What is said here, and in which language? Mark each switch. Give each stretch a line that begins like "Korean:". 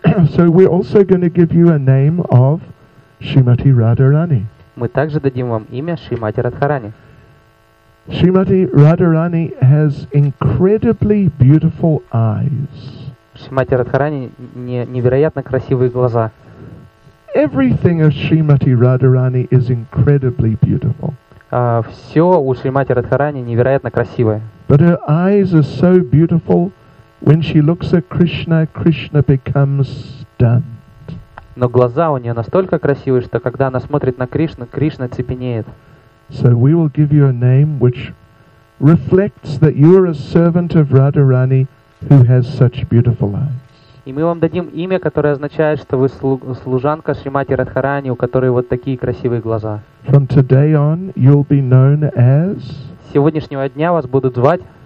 English: So we're also going to give you a name of Shrimati Radharani.
Russian: Мы также дадим вам имя Шримати Радхарани.
English: Shrimati Radharani has incredibly beautiful eyes.
Russian: Шримати Радхарани невероятно красивые глаза.
English: Everything of Srimati Radharani is incredibly beautiful.
Russian: Все у Шримати Радхарани невероятно красивое.
English: But her eyes are so beautiful. When she looks at Krishna, Krishna becomes stunned.
Russian: Но глаза у нее настолько красивые, что когда она смотрит на Кришну, Кришна цепенеет.
English: So we will give you a name which reflects that you are a servant of Radharani who has such beautiful eyes.
Russian: И мы вам дадим имя, которое означает, что вы служанка Шримати Радхарани, у которой вот такие красивые глаза.
English: From today on, you'll be known as...
Russian: С сегодняшнего дня вас будут звать...